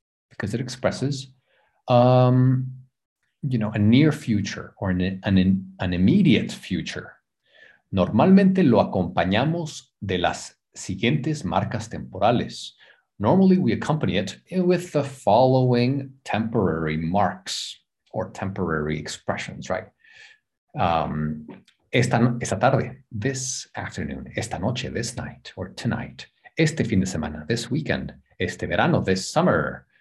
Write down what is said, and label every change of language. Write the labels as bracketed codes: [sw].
[en] Because it expresses, a near future or an immediate future. [es] Normalmente lo acompañamos de las siguientes marcas temporales. [en] Normally, we accompany it with the following temporary marks or temporary expressions, right? [es] Esta tarde, [en] this afternoon, [es] esta noche, [en] this night, or tonight, [es] este fin de semana, [en] this weekend, [es] este verano, [en] this summer.